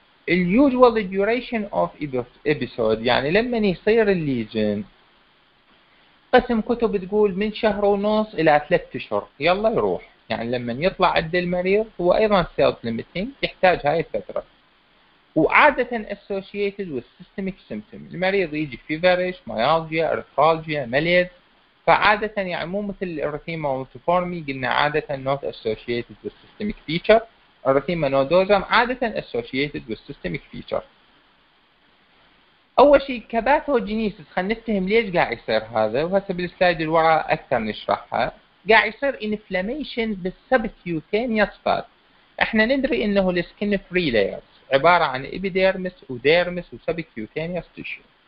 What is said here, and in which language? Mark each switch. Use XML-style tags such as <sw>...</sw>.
<ar>ال</ar> <en>usual duration of episode</en> <ar>يعني لما يصير الليجن، قسم كتب تقول من شهر ونص الى ثلاثة اشهر يلا يروح، يعني لما يطلع عند المريض هو ايضا</ar> <en>self limiting</en> <ar>يحتاج هاي الفترة. وعادة</ar> <en>associated with systemic symptoms،</en> <ar>المريض يجي</ar> <en>feverish myalgia arthralgia malaise،</en> <ar>فعادة يعني مو مثل الاريثيما مالتيفورمي قلنا عادة</ar> <en>not associated with systemic feature،</en> <ar>الاريثيما نودوزم عادة</ar> <en>associated with systemic feature.</en> <ar>اول شيء كباثوجينيسيس خلينا نفهم ليش قاعد يصير هذا، وهسه بالسلايد اللي وراء اكثر نشرحها. قاعد يصير</ar> <en>inflammation</en> <ar>بالسبكيوتينيوس فات. احنا ندري انه السكن فري لايرز عبارة عن إبيديرمس وديرمس وسبكيوتانيوس تيشيو.</ar>